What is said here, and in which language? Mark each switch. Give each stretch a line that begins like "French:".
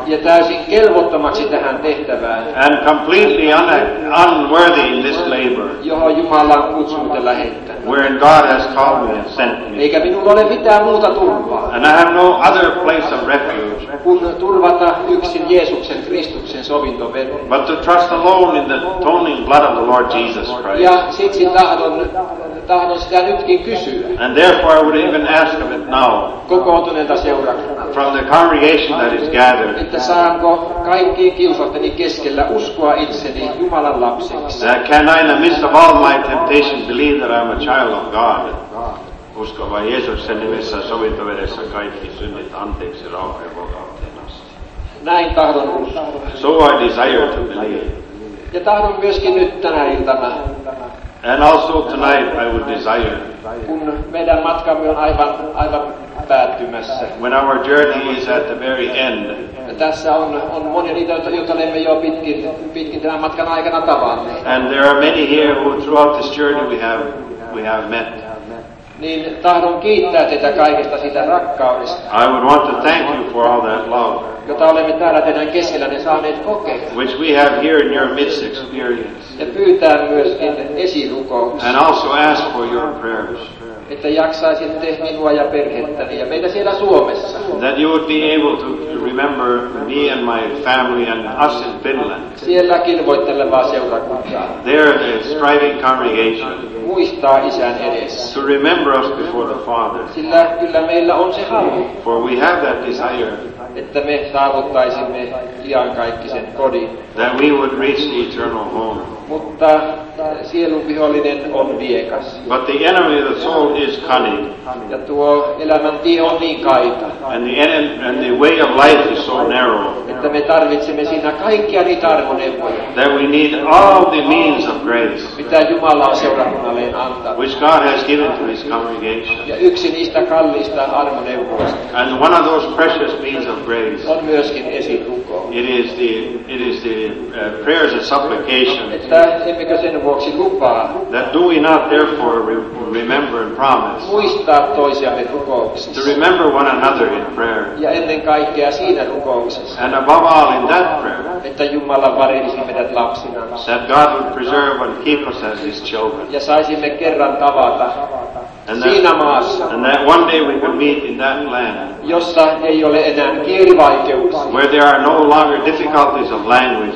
Finnish: ja täysin kelvottomaksi tähän tehtävään,
English: and completely unworthy in this labor,
Finnish: johon Jumala on kutsunut ja lähettänyt,
English: wherein God has called me and sent me,
Finnish: eikä minulla ole mitään muuta turvaa,
English: and I have no other place of refuge,
Finnish: kun turvata yksin Jeesuksen Kristuksen sovintoveren,
English: but to trust alone in the atoning blood of the Lord Jesus Christ.
Finnish: Ja siksi tahdon sitä nytkin kysyä.
English: And therefore I would even ask of it now,
Finnish: kokoontuneelta seurakunnalta,
English: from the congregation that is gathered,
Finnish: että saanko kaikkien kiusausteni keskellä uskoa itseni Jumalan lapseksi.
English: That can I, in the midst of all my temptations, believe that I am a child of God.
Finnish: Usko vain Jeesuksen nimessä sovintoveressä kaikki synnit anteeksi rauhan ja vapauteen asti. Näin tahdon uskoa.
English: So I desire to believe.
Finnish: Ja tahdon myöskin nyt tänä iltana.
English: And also tonight I would desire,
Finnish: kun meidän matkamme on aivan päättymässä,
English: when our journey is at the very end,
Finnish: tässä on monia niitä, joita olemme jo pitkin tämän matkan aikana tavanneet,
English: and there are many here who throughout this journey we have met,
Finnish: niin tahdon kiittää teitä kaikesta sitä rakkaudesta,
English: I would want to thank you for all that love,
Finnish: jota olemme täällä teidän keskellänne saaneet kokea,
English: which we have here in your midst experience,
Finnish: ja pyytää myöskin esirukouksia,
English: and also ask for your prayers,
Finnish: että jaksaisitte minua ja perhettäni ja meitä siellä Suomessa,
English: that you would be able to remember me and my family and us in Finland,
Finnish: sielläkin voittelevaa seurakuntaa,
English: there the striving congregation,
Finnish: muistaa isän edessä,
English: to remember us before the Father,
Finnish: sillä kyllä meillä on se halu,
English: for we have that desire,
Finnish: että me saavuttaisimme iankaikkisen kodin,
English: that we would reach the eternal home,
Finnish: mutta sielun vihollinen on viekas,
English: but the enemy of the soul is cunning,
Finnish: ja tuo elämän tie on niin kaita,
English: and the way of life is so narrow,
Finnish: että me tarvitsemme siinä kaikkia niitä armoneuvoja,
English: that we need all the means of grace,
Finnish: mitä Jumala on seurakunnalleen antanut,
English: which God has given to his congregation,
Finnish: ja yksi niistä kalliista armoneuvoista,
English: and one of those precious means of grace,
Finnish: on myöskin esirukko,
English: it is the prayers and supplications,
Finnish: että emmekö sen vuoksi lupaa,
English: that do we not therefore remember and promise,
Finnish: muistaa toisiamme rukouksissa,
English: to remember one another in prayer,
Finnish: ja ennen kaikkea siinä rukouksessa,
English: and above all in that prayer,
Finnish: että Jumala varjelisi meidät lapsina,
English: that God would preserve and keep us as his children,
Finnish: ja saisimme kerran tavata
English: And that,
Finnish: siinä maassa,
English: and that one day we could meet in that land,
Finnish: jossa ei ole enää kielivaikeuksia,
English: where there are no longer difficulties of language,